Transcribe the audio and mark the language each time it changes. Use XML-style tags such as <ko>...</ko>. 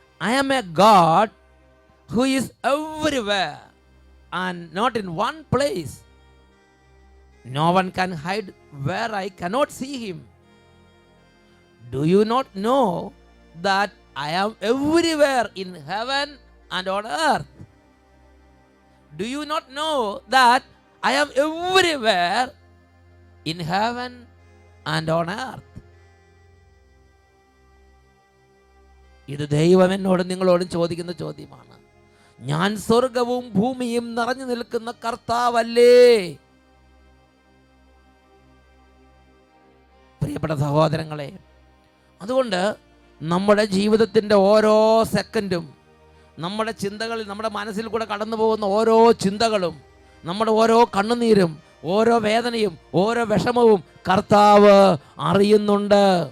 <en>I am a god who is everywhere and not in one place. No one can hide where I cannot see him. Do you not know that I am everywhere in heaven and on earth. Do you not know that I am everywhere in heaven and on earth?</en> <ml>ഇത് ദൈവം എന്നോട് നിങ്ങളോടും ചോദിക്കുന്ന ചോദ്യമാണ്. ഞാൻ സ്വർഗവും ഭൂമിയും നിറഞ്ഞു നിൽക്കുന്ന കർത്താവല്ലേ? പ്രിയപ്പെട്ട സഹോദരങ്ങളെ, അതുകൊണ്ട് നമ്മുടെ ജീവിതത്തിൻ്റെ ഓരോ സെക്കൻഡും നമ്മുടെ ചിന്തകളിൽ, നമ്മുടെ മനസ്സിൽ കൂടെ കടന്നു പോകുന്ന ഓരോ ചിന്തകളും, നമ്മുടെ ഓരോ കണ്ണുനീരും, ഓരോ വേദനയും, ഓരോ വിഷമവും കർത്താവ് അറിയുന്നുണ്ട്.</ml>